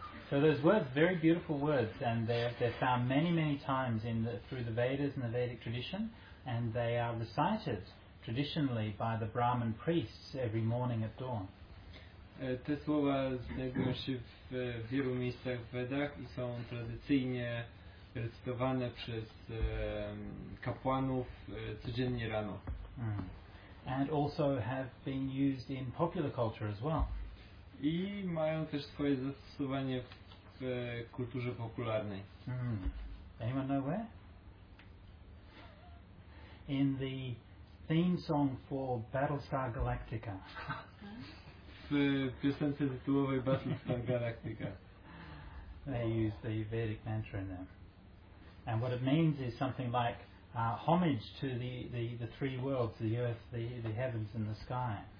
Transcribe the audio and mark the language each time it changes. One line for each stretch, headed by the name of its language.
English: So those words, very beautiful words, and they're found many, many times in through the Vedas and the Vedic tradition, and they are recited traditionally by the Brahmin priests every morning at dawn.
Polish: Te słowa znajdują się w wielu miejscach w Vedach i są tradycyjnie recytowane przez kapłanów codziennie rano. Mm.
English: And also have been used in popular culture as well.
Polish: I mają też swoje zastosowanie w kulturze popularnej.
English: Mm. Anyone know where? In the theme song for Battlestar Galactica.
Polish: W piosence tytułowej Battlestar Galactica.
English: They use the Vedic mantra in them. And what it means is something like homage to the three worlds, the earth, the heavens and the sky.